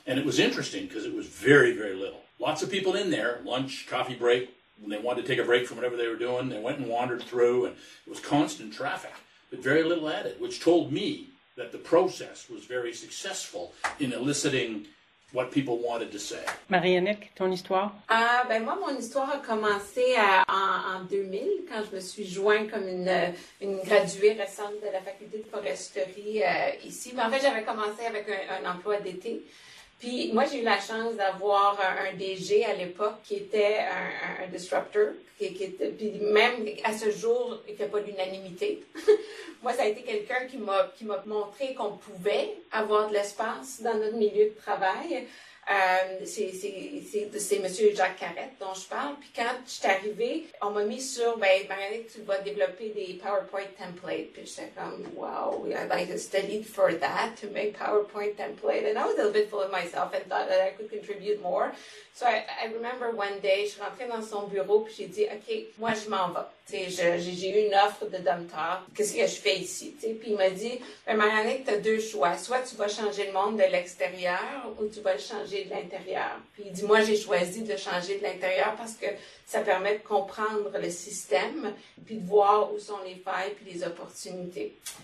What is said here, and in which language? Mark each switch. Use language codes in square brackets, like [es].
[en] And it was interesting because it was very, very little. Lots of people in there, lunch, coffee break, when they wanted to take a break from whatever they were doing, they went and wandered through, and it was constant traffic, but very little added, which told me that the process was very successful in eliciting what people wanted to say. [fr] Marie-Annick, ton histoire? Moi, mon histoire a commencé en 2000, quand je me suis joint comme une graduée récente de la faculté de foresterie ici. Mais en fait, j'avais commencé avec un emploi d'été. Puis moi, j'ai eu la chance d'avoir un DG à l'époque qui était un disruptor, puis même à ce jour, il ne fait pas l'unanimité. Moi, ça a été quelqu'un qui m'a montré qu'on pouvait avoir de l'espace dans notre milieu de travail. C'est Monsieur Jacques Carrette dont je parle. Puis quand je suis arrivée, on m'a mis sur, ben, Marie-Annick, tu vas développer des PowerPoint templates. Puis j'étais comme, wow, [en] I'd like to study for that, to make PowerPoint template. And I was a little bit full of myself and thought that I could contribute more. So I remember one day, [fr] je suis rentrée dans son bureau, puis j'ai dit, OK, moi, je m'en vais. Tu sais, j'ai eu une offre de Domtar. Qu'est-ce que je fais ici? Tu sais, puis il m'a dit, ben, Marie-Annick, t'as deux choix. Soit tu vas changer le monde de l'extérieur ou tu vas le changer de l'intérieur. Puis il dit, moi, j'ai choisi de changer de l'intérieur parce que ça permet de comprendre le système puis de voir où sont les failles puis les opportunités.